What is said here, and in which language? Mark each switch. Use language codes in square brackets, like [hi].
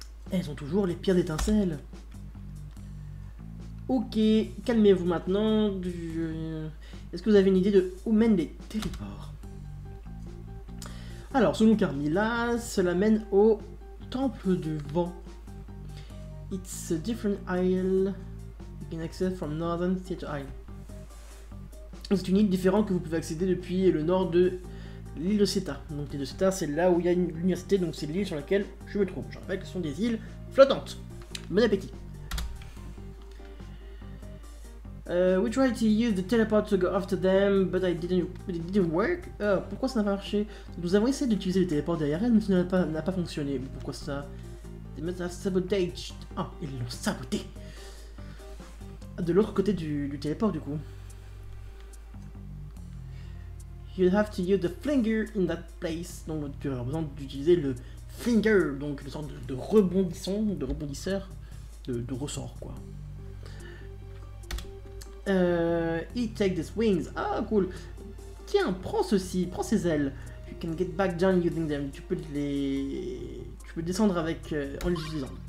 [fr] Elles ont toujours les pires étincelles. Ok, calmez-vous maintenant. Est-ce que vous avez une idée de où mènent les téléports? Alors, selon Carmilla, cela mène au Temple du Vent. [en] It's a different isle you can access from Northern Theater Isle. [fr] C'est une île différente que vous pouvez accéder depuis le nord de l'île de Seta. Donc l'île de Seta, c'est là où il y a l'université, donc c'est l'île sur laquelle je me trouve. Je rappelle que ce sont des îles flottantes. Bon appétit. [en] We tried to use the teleport to go after them, but it didn't work. [fr] Pourquoi ça n'a pas marché? Nous avons essayé d'utiliser le téléport derrière elle, mais ça n'a pas fonctionné. Pourquoi ça? [en] They must have sabotaged. [fr] Ah, ils l'ont saboté. De l'autre côté du téléport, du coup. [en] You have to use the flinger in that place. [fr] Donc tu auras besoin d'utiliser le flinger, donc une sorte de rebondisseur de ressort, quoi. [en] He take these wings. Ah, cool. [fr] Tiens, prends ces ailes. [en] You can get back down using them. [fr] Tu peux descendre avec en les utilisant.